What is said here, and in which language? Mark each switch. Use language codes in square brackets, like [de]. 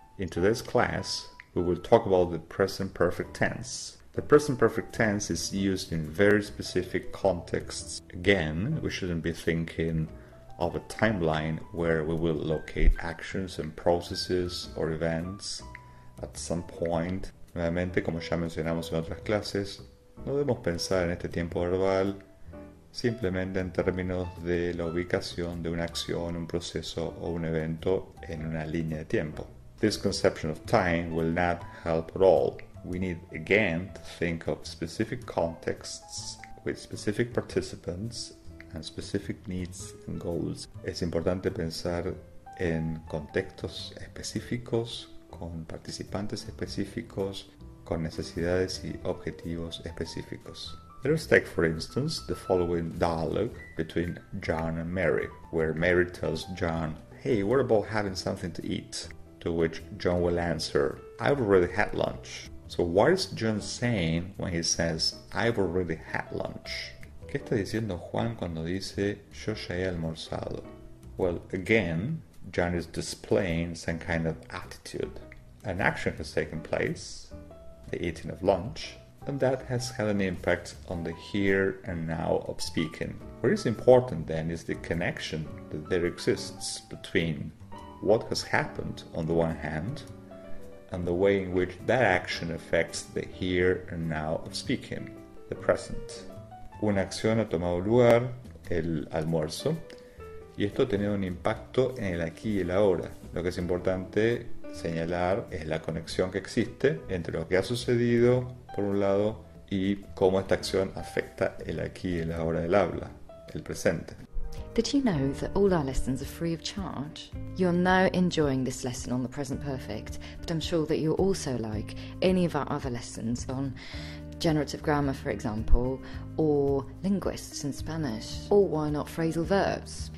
[en] In today's class, we will talk about the present perfect tense. The present perfect tense is used in very specific contexts. Again, we shouldn't be thinking of a timeline where we will locate actions and processes or events at some point. [es] Nuevamente, como ya mencionamos en otras clases, no debemos pensar en este tiempo verbal simplemente en términos de la ubicación de una acción, un proceso o un evento en una línea de tiempo. [en] This conception of time will not help at all. We need again to think of specific contexts with specific participants and specific needs and goals. [es] Es importante pensar en contextos específicos, con participantes específicos, con necesidades y objetivos específicos. [en] Let's take, for instance, the following dialogue between John and Mary, where Mary tells John, "Hey, what about having something to eat?" To which John will answer, "I've already had lunch." So what is John saying when he says, "I've already had lunch"? [es] ¿Qué está diciendo Juan cuando dice, "Yo ya he almorzado"? [en] Well, again, John is displaying some kind of attitude. An action has taken place, the eating of lunch, and that has had an impact on the here and now of speaking. What is important then is the connection that there exists between what has happened on the one hand and the way in which that action affects the here and now of speaking, the present. [es] Una acción ha tomado lugar, el almuerzo, y esto ha tenido un impacto en el aquí y el ahora. Lo que es importante señalar es la conexión que existe entre lo que ha sucedido, por un lado, y cómo esta acción afecta el aquí y el ahora del habla, el presente. [en] Did you know that all our lessons are free of charge? You're now enjoying this lesson on the present perfect, but I'm sure that you'll also like any of our other lessons on generative grammar, for example, or linguists in Spanish, or why not phrasal verbs?